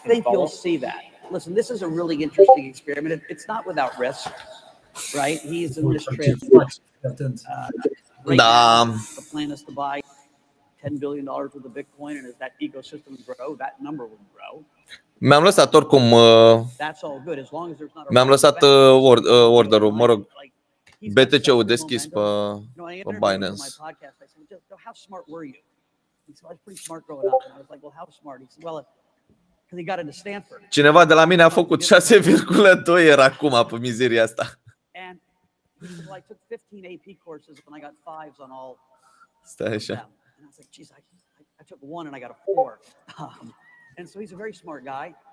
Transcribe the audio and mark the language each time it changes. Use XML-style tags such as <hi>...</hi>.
<en>can follow? I think you'll see that. Listen, this is a really interesting experiment. It's not without risk, right? He's in this transaction. The plan is to buy $10 billion worth of Bitcoin, and as that ecosystem grow, that number will grow.</en> <ro>Mi-am lăsat oricum.</ro> <en>That's all good as long as there's not.</en> <ro>Mi-am lăsat orderul, mă rog. BTC-ul deschis pe Binance.</ro> <en>So how smart were you? He said, I was pretty smart growing up. And I was like, well, how smart? He said, well, because he got into Stanford.</en> <ro>Cineva de la mine a făcut 6,2 era acum pe mizeria asta.</ro> <en>And he said, well, I took 15 AP courses and I got fives on all.</en> <ro>Stai așa.</ro> <en>And I was like, geez, I took one and I got a four. And so he's a very smart guy.</en>